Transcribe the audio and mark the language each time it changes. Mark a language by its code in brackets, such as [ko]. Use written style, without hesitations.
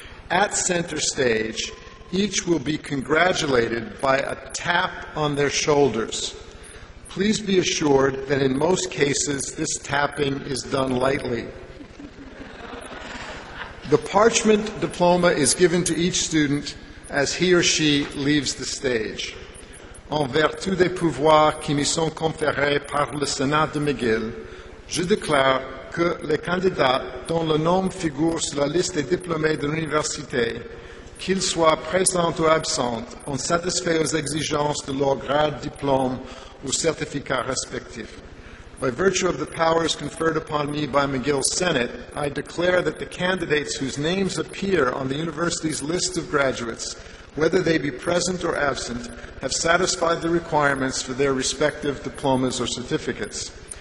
[en] At center stage, each will be congratulated by a tap on their shoulders. Please be assured that in most cases, this tapping is done lightly. The parchment diploma is given to each student as he or she leaves the stage. [fr] En vertu des pouvoirs qui me sont conférés par le Sénat de McGill, je déclare que les candidats dont le nom figure sur la liste des diplômés de l'université, qu'ils soient présents ou absents, ont satisfait aux exigences de leur grade, diplôme, ou certificat respectif. [en] By virtue of the powers conferred upon me by McGill Senate, I declare that the candidates whose names appear on the university's list of graduates, whether they be present or absent, have satisfied the requirements for their respective diplomas or certificates.